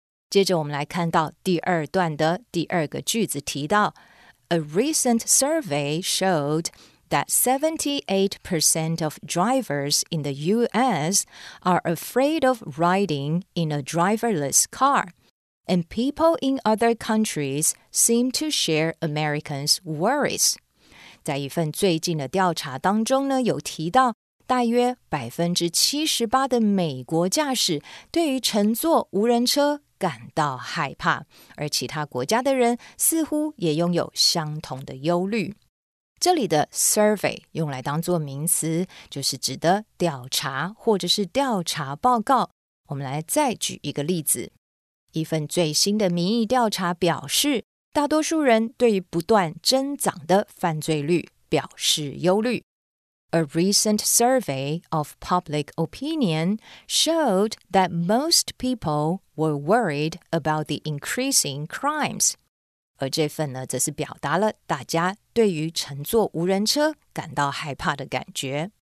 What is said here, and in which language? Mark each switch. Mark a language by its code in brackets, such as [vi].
[zh] 接着我们来看到第二段的第二个句子提到 [en] A recent survey showed that 78% of drivers in the U.S. are afraid of riding in a driverless car, and people in other countries seem to share Americans' worries. [zh] 在一份最近的调查当中呢，有提到大约 78% 的美国驾驶对于乘坐无人车感到害怕，而其他国家的人似乎也拥有相同的忧虑。这里的 survey 用来当作名词，就是指的调查或者是调查报告。我们来再举一个例子，一份最新的民意调查表示，大多数人对于不断增长的犯罪率表示忧虑。 [en] A recent survey of public opinion showed that most people were worried about the increasing crimes. [zh] 而这份呢，则是表达了大家对于乘坐无人车感到害怕的感觉。